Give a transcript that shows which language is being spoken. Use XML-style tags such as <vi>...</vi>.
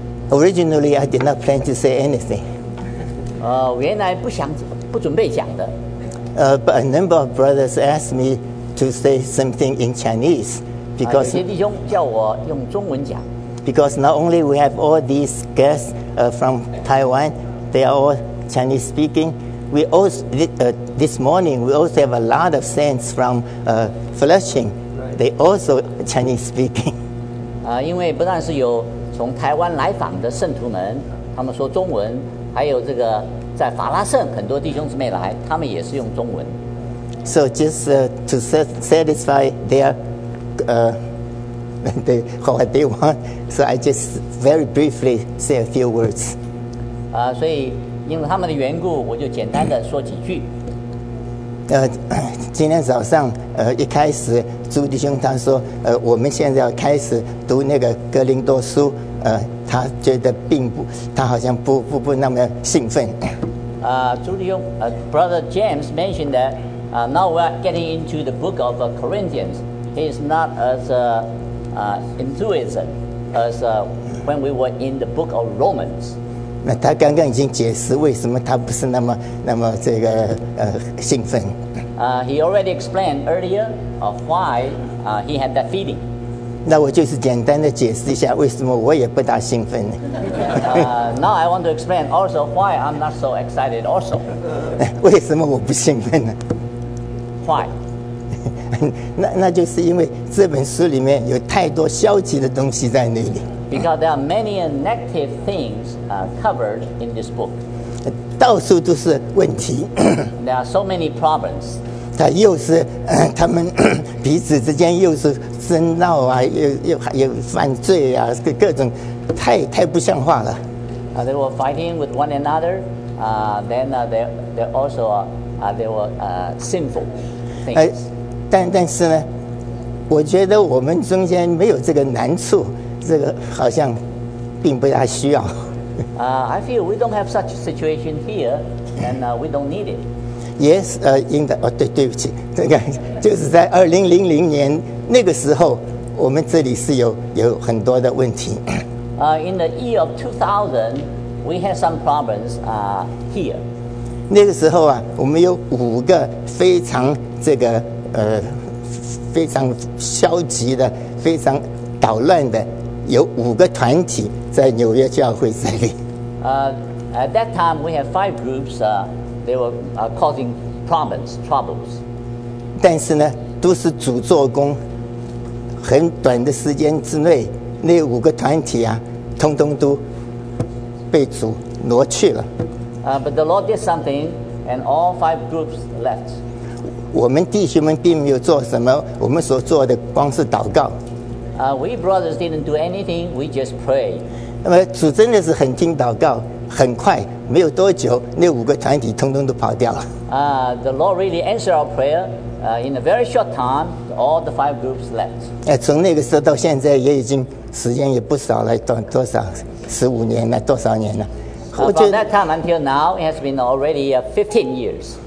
<en>Originally, I did not plan to say anything.</en> <zh>原来不想不准备讲的。</zh> <en>But a number of brothers asked me to say something in Chinese because</en> <zh>有些弟兄叫我用中文讲。</zh> <en>Because not only we have all these guests from Taiwan, they are all Chinese speaking. We also this morning we also have a lot of saints from Flushing. They also Chinese speaking.</en> <zh>因为不但是有。从台湾来访的圣徒们，他们说中文，还有这个在法拉盛很多弟兄姊妹来，他们也是用中文。</zh> <en>So just to satisfy what they want, so I just very briefly say a few words.</en> <zh>所以因为他们的缘故，我就简单的说几句。今天早上一开始朱弟兄他说我们现在要开始读那个哥林多书。他觉得并不，他好像不那么兴奋。</zh> <en>朱弟兄，Brother James mentioned that now we're getting into the book of Corinthians. He is not as enthusiastic as when we were in the book of Romans.</en> <zh>那他刚刚已经解释为什么他不是那么这个兴奋。</zh> <en>He already explained earlier why he had that feeling.</en> <zh>那我就是简单的解释一下，为什么我也不大兴奋呢</zh> <en>？Now I want to explain also why I'm not so excited also.</en> <zh>为什么我不兴奋呢</zh> <en>？Why？</en> <zh>那就是因为这本书里面有太多消极的东西在那里。</zh> <en>Because there are many negative things covered in this book.</en> <zh>到处都是问题。</zh> <en>There are so many problems.</en> <zh>他又是他们彼此之间又是争闹啊，又犯罪啊，各种太不像话了。</zh> <en>They were fighting with one another. They were sinful things.</en> <zh>但是呢，我觉得我们中间没有这个难处，这个好像并不大需要。</zh> <en>I feel we don't have such situation here, and we don't need it. Yes, in the</en> <zh>对不起，这个就是在2000年那个时候，我们这里是有很多的问题。</zh> <en>In the year of 2000, we had some problems here.</en> <zh>那个时候啊，我们有五个非常这个非常消极的、非常捣乱的，有五个团体在纽约教会这里。</zh> <en>At that time, we had five groups. They were causing problems, troubles.</en> <zh>但是呢，都是主做工。很短的时间之内，那五个团体啊，通通都被主挪去了。</zh> <en>But the Lord did something, and all five groups left.</en> <zh>我们弟兄们并没有做什么，我们所做的光是祷告。</zh> <en>We brothers didn't do anything, we just pray.</en> <zh>那么主真的是很听祷告，很快，没有多久，那五个团体通通都跑掉了。</zh> <en>The Lord really answered our prayer. In a very short time, all the five groups left.</en> <zh>从那个时候到现在也已经时间也不少了，多少15年了，多少年了。</zh> <en>From that time until now, it has been already 15 years.</en>